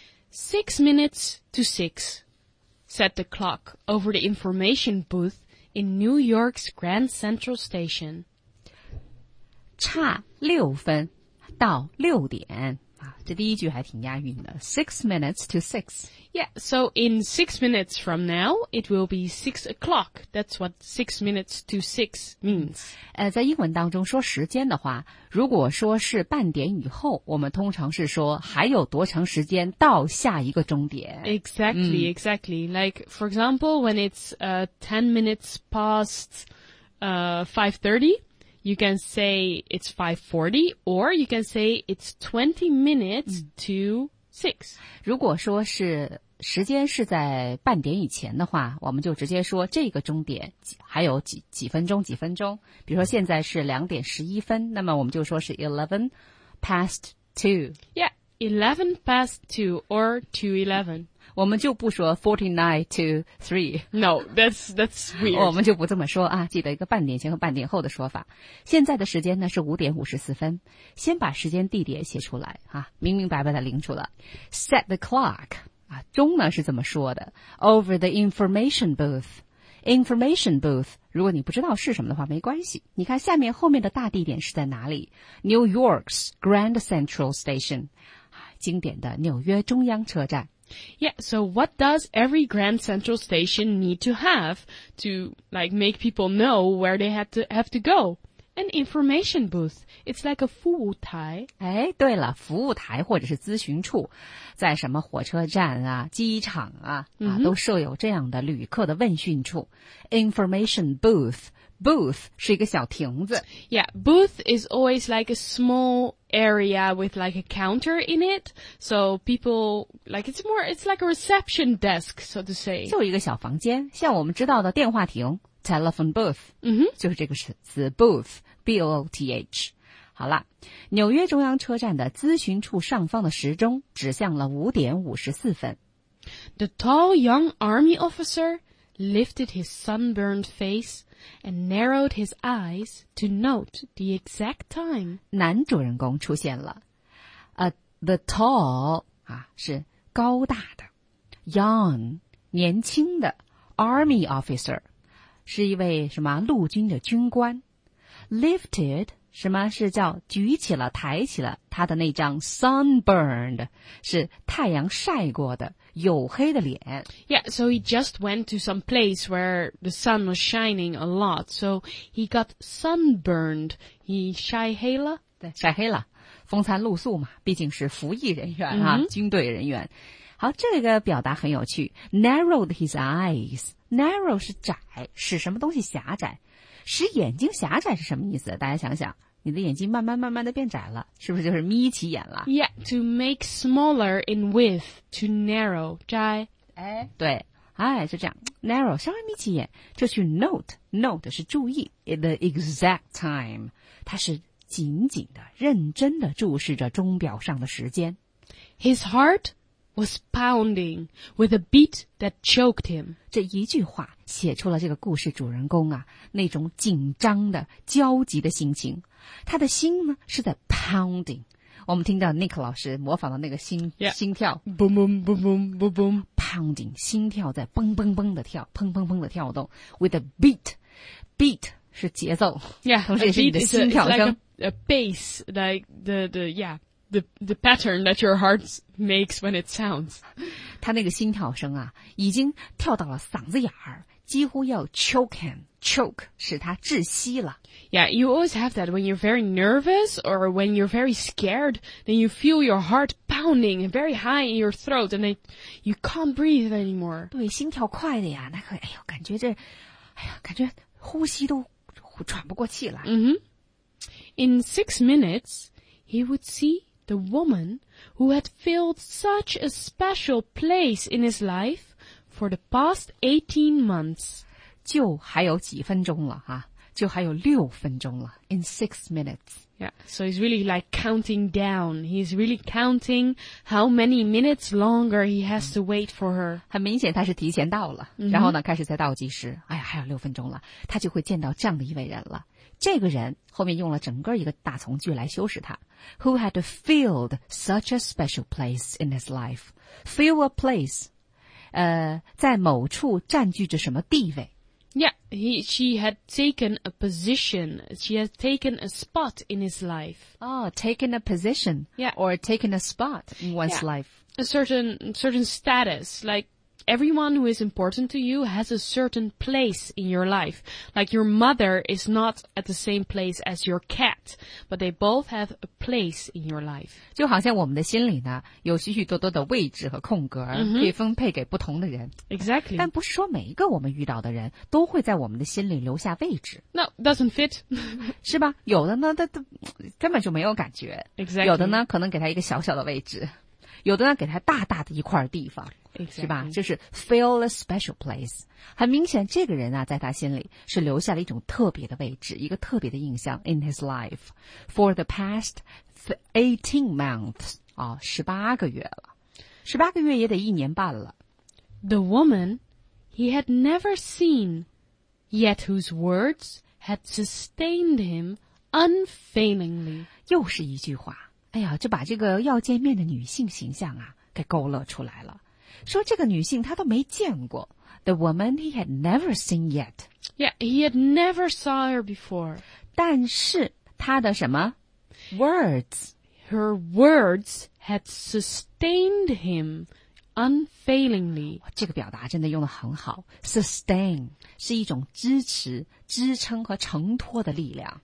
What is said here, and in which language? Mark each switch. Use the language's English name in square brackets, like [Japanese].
[English] 6 minutes to six, said the clock over the information booth in New York's Grand Central Station. [Chinese] 差六分到六点。这第一句还挺押韵的。 [English] 6 minutes to six. Yeah, so in 6 minutes from now, it will be 6 o'clock. That's what 6 minutes to six means. [Chinese] 在英文当中说时间的话，如果说是半点以后，我们通常是说还有多长时间到下一个终点。 [English] Exactly, exactly. Like, for example, when it's 10 minutes past 5:30, you can say it's 5:40, or you can say it's 20 minutes to 6. [Chinese] 如果说是时间是在半点以前的话，我们就直接说这个钟点还有几分钟几分钟。比如说现在是2点11分，那么我们就说是 [English] 11 past 2. Yeah, 11 past 2 or 2:11. [Chinese] 我们就不说 [English] 49 to 3. No, that's weird. [Chinese] 我们就不这么说啊，记得一个半点前和半点后的说法。现在的时间呢是5点54分。先把时间地点写出来啊，明明白白的拎出了。 [English] Set the clock, [Chinese] 啊，钟呢是怎么说的 [English] ?Over the information booth. Information booth, [Chinese] 如果你不知道是什么的话没关系。你看下面后面的大地点是在哪里 ?New York's Grand Central Station, 啊，经典的纽约中央车站。 [English] Yeah, so what does every Grand Central Station need to have to, like, make people know where they have to go? An information booth. It's like a [Chinese] 服务台。哎，对了，服务台或者是咨询处，在什么火车站啊、机场啊、mm-hmm. 啊，都设有这样的旅客的问讯处。 [English] Information booth. [Chinese] Booth 是一个小亭子。 [English] Yeah, booth is always like a small... area with like a counter in it, so people like it's like a reception desk, so to say. [Chinese] 就一个小房间，像我们知道的电话亭 [English] telephone booth,、 mm-hmm. [Chinese] 就是这个词 booth, B-O-O-T-H. 好了，纽约中央车站的咨询处上方的时钟指向了5点54分。 [English] The tall young army officer lifted his sunburned face. And narrowed his eyes to note the exact time. [Chinese] 男主人公出现了。 [English] The tall, [Chinese] 啊，是高大的。 [English] Young, [Chinese] 年轻的。 [English] Army officer, [Chinese] 是一位什么陆军的军官。 [English] Lifted, [Chinese] 什么是叫举起了抬起了他的那张 [English] sunburned, [Chinese] 是太阳晒过的。黝黑的脸。 [English] Yeah, so he just went to some place where the sun was shining a lot, so he got sunburned. He [Chinese] 晒黑了。对，晒黑了。风餐露宿嘛，毕竟是服役人员啊、mm-hmm. 军队人员。好，这个表达很有趣。 [English] Narrowed his eyes. [Chinese] Narrow 是窄，使什么东西狭窄。使眼睛狭窄是什么意思？大家想想。你的眼睛慢慢慢慢的变窄了，是不是就是眯起眼了 [English] ？Yeah, to make smaller in width, to narrow, [Chinese] 窄。哎，对，哎，就这样 ， [English] narrow, [Chinese] 稍微眯起眼，就去 [English] note [Chinese] 是注意 [English] the exact time, [Chinese] 他是紧紧的、认真的注视着钟表上的时间。 [English] His heart was pounding with a beat that choked him. [Chinese] 这一句话写出了这个故事主人公啊那种紧张的、焦急的心情。他的心呢是在 [English] pounding, [Chinese] 我们听到 Nick 老师模仿的那个心、 yeah. 心跳 boom boom boom boom boom boom [English] pounding, [Chinese] 心跳在蹦蹦蹦的跳，砰砰砰的跳动 [English] with a beat [Chinese] 是节奏 yeah, 同时也是你的心跳声 [English] a bass like the pattern that your heart makes when it sounds [Chinese] 他那个心跳声啊已经跳到了嗓子眼儿，几乎要 [English] choke him,choke [Chinese] 使他窒息了。 [English] Yeah, you always have that when you're very nervous or when you're very scared, then you feel your heart pounding very high in your throat and then you can't breathe anymore. [Chinese] 对，心跳快的呀，那个，哎呦，感觉这，哎呀，感觉呼吸都喘不过气来。 Mm-hmm. [English] In 6 minutes, he would see the woman who had filled such a special place in his life for the past 18 months. [Chinese] 就还有几分钟了啊，就还有6分钟了 , [English] in 6 minutes. Yeah, so he's really like counting down. He's really counting how many minutes longer he has to wait for her. [Chinese] 很明显他是提前到了、mm-hmm. 然后呢开始在倒计时。哎呀还有6分钟了，他就会见到这样的一位人了。这个人后面用了整个一个大从句来修饰他。 [English] Who had filled such a special place in his life? Fill a place. 在某处占据着什么地位。 Yeah, she had taken a position. She had taken a spot in his life. Oh, taken a position. Yeah. Or taken a spot in one's life. A certain status. Like, everyone who is important to you has a certain place in your life. Like, your mother is not at the same place as your cat, but they both have a place in your life. [Chinese] 就好像我们的心里呢，有许许多多的位置和空格，可以分配给不同的人。 [English] Mm-hmm. Exactly. [Chinese] 但不是说每一个我们遇到的人都会在我们的心里留下位置。 [English] No, doesn't fit. [Chinese] 是吧？有的呢，他根本就没有感觉。 [English] Exactly. [Chinese] 有的呢，可能给他一个小小的位置。有的呢，给他大大的一块地方。 [English] exactly. [Chinese] 是吧？就是 fill a special place。很明显，这个人啊，在他心里是留下了一种特别的位置，一个特别的印象 [English] in his life for the past 18 months [Chinese] 啊、哦，18个月也得一年半了。 [English] The woman he had never seen, yet whose words had sustained him unfailingly. [Chinese] 又是一句话。哎呀，就把这个要见面的女性形象啊给勾勒出来了。说这个女性她都没见过。 [English] The woman he had never seen yet. Yeah, he had never saw her before. [Chinese] 但是她的什么 ? [English] words. Her words had sustained him unfailingly. [Chinese] 这个表达真的用得很好。 [English] Sustain [Chinese] 是一种支持、支撑和承托的力量。